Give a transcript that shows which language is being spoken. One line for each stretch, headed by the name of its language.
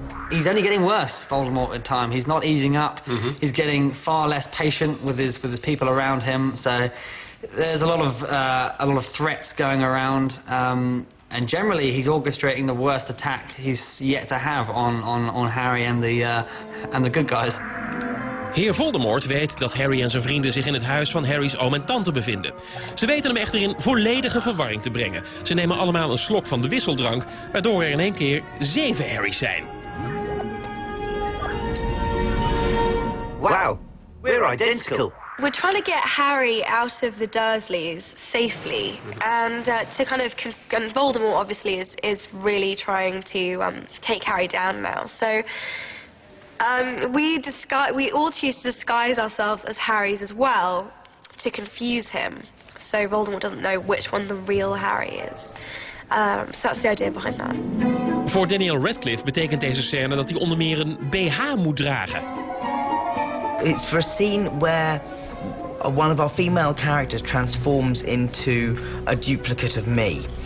English: He's only getting worse, Voldemort, in time. He's not easing up. Mm-hmm. He's getting far less patient with his people around him. So there's a lot of threats going around. And generally, he's orchestrating the worst attack he's yet to have on Harry and the good guys.
Dutch: Heer Voldemort weet dat Harry en zijn vrienden zich in het huis van Harry's oom en tante bevinden. Ze weten hem echter in volledige verwarring te brengen. Ze nemen allemaal een slok van de wisseldrank, waardoor er in 1 keer 7 Harry's zijn.
English: Wow, we're identical. We're trying to get Harry out of the Dursleys safely. And to kind of and Voldemort obviously is really trying to take Harry down now. So we all choose to disguise ourselves as Harry's as well to confuse him, so Voldemort doesn't know which one the real Harry is. So that's the idea behind that.
Dutch: Voor Daniel Radcliffe betekent deze scène dat hij onder meer een BH moet dragen.
English: It's for a scene where one of our female characters transforms into a duplicate of me.